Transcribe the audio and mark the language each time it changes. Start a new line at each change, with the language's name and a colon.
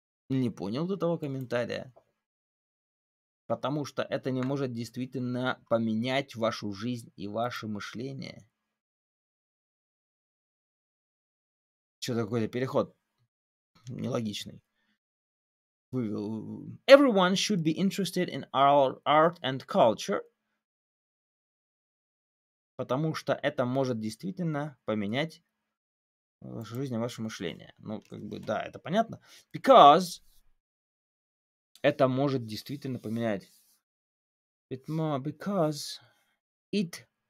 Russian: Не понял до того комментария. Потому что это не может действительно поменять вашу жизнь и ваше мышление. Что-то какой-то переход нелогичный.
English: Everyone should be interested in art and culture.
Russian: Потому что это может действительно поменять вашу жизнь и ваше мышление. Ну, как бы, да, это понятно.
English: Because
Russian: это может действительно поменять.
English: It more because it...